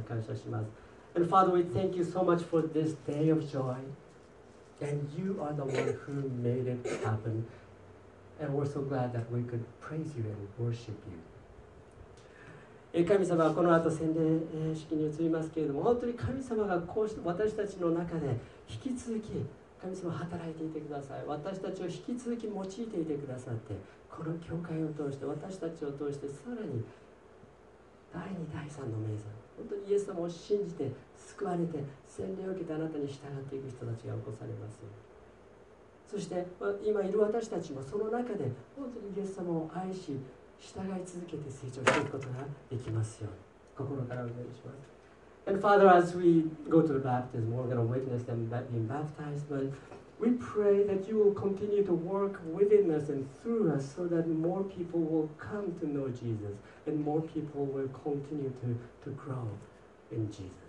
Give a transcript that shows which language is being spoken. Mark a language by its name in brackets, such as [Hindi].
[Japanese] 感謝します。 [English] And Father, we thank you so much for this day of joy. And you are the one who made it happen. And we're so glad that we could praise you and worship you. [Japanese] 神様はこの後洗礼式に移りますけれども、本当に神様がこうして私たちの中で引き続き神様働いていてください。私たちを引き続き用いていてくださって、この教会を通して私たちを通してさらに第2第3の名山、本当にイエス様を信じて救われて洗礼を受けてあなたに従っていく人たちが起こされます。そして今いる私たちもその中で本当にイエス様を愛し従い続けて成長していくことができますように心からお願いします。 [English] And Father, as we go to the baptism, we're going to witness them being baptized, but we pray that you will continue to work within us and through us so that more people will come to know Jesus and more people will continue to grow in Jesus.